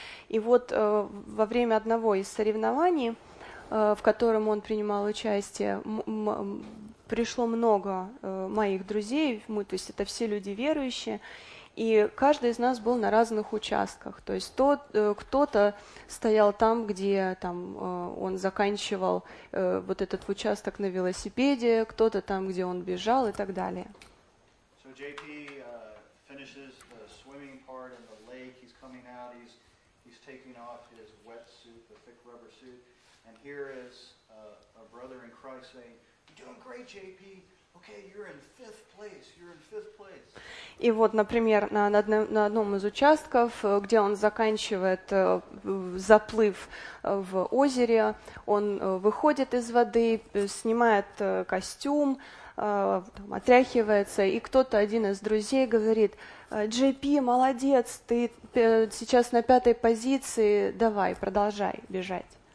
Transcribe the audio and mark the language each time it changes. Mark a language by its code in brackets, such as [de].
[ru] И вот во время одного из соревнований, в котором он принимал участие, пришло много моих друзей, то есть это все люди верующие, и каждый из нас был на разных участках. То есть кто-то стоял там, где там, он заканчивал вот этот участок на велосипеде, кто-то там, где он бежал и так далее. [en] So JP, finishes the swimming part in the lake. He's coming out, he's taking off his wet suit, the thick rubber suit. And here is a brother in Christ saying, you're doing great, JP. Okay, you're in fifth place, you're in fifth place. [ru] И вот, например, на одном из участков, где он заканчивает заплыв в озере, он выходит из воды, снимает костюм, там, отряхивается, и кто-то, один из друзей, говорит: «JP, молодец, ты сейчас на пятой позиции, давай, продолжай бежать».